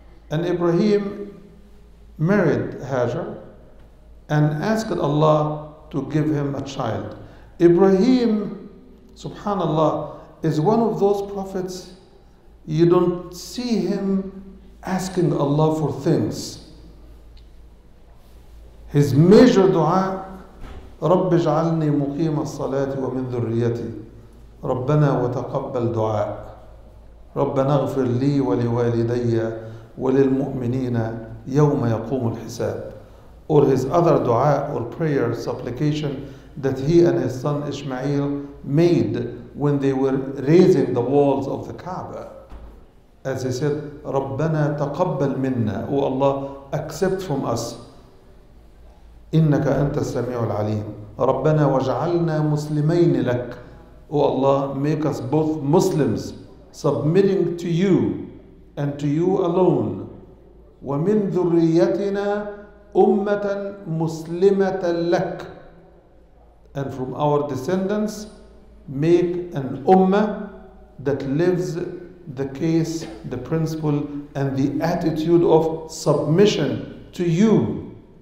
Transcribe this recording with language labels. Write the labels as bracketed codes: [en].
[en] And Ibrahim married Hajar and asked Allah to give him a child. Ibrahim, subhanallah, is one of those prophets you don't see him asking Allah for things. His major dua, [ar] رَبِّ جَعَلْنِي مُقِيمَ الصَّلَاةِ وَمِنْ ذُرِّيَّتِي رَبَّنَا وَتَقَبَّلْ دُعَاء رَبَّنَا اغْفِرْ لِي وَلِوَالِدَيَّ وَلِلْمُؤْمِنِينَ يَوْمَ يَقُومُ الْحِسَابِ. [en] Or his other dua or prayer supplication that he and his son Ismail made when they were raising the walls of the Kaaba. As he said, [ar] رَبَّنَا تَقَبَّلْ مِنَّا. [en] O Allah, accept from us. [ar] إنك أنت السميع العليم ربنا وجعلنا مسلمين لك. [en] O Allah, make us both Muslims, submitting to you and to you alone. [ar] ومن ذريتنا أمة مسلمة لك. [en] And from our descendants, make an ummah that lives the case, the principle, and the attitude of submission to you.